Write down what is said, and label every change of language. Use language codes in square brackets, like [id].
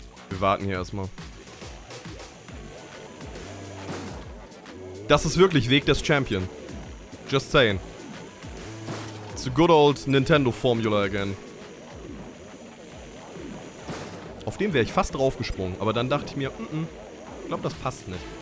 [de] Wir warten hier erstmal. Das ist wirklich Weg des Champion. [en] Just saying. It's a good old Nintendo formula again. [de] Auf dem wäre ich fast draufgesprungen, aber dann dachte ich mir, ich glaube, das passt nicht.